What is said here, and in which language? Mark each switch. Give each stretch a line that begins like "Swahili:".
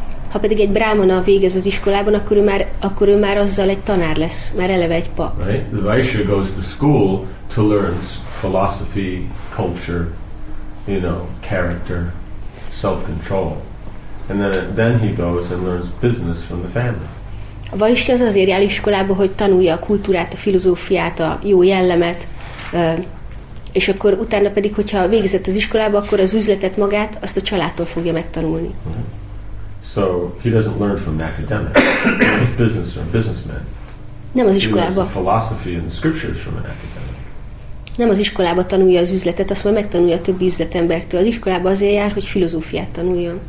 Hungarian: Ha pedig egy brámana végez az iskolában, akkor ő már azzal egy tanár lesz, már eleve egy pap.
English: Right? The Vaishya goes to school to learn philosophy, culture, you know, character, self-control. And then he goes and learns business from the family.
Hungarian: A Vaishya az azért jár iskolába, hogy tanulja a kultúrát, a filozófiát, a jó jellemet, és akkor utána pedig, hogyha végzett az iskolába, akkor az üzletet magát, azt a családtól fogja megtanulni.
English: Right. So he doesn't learn from academics, he learns business from businessmen.
Hungarian: Nem az iskolába.
English: He learns the philosophy and the scriptures from an academic.
Hungarian: Nem az iskolába tanulja az üzletet, azt majd megtanulja a többi üzletembertől. Az iskolába azért jár, hogy filozófiát tanuljon.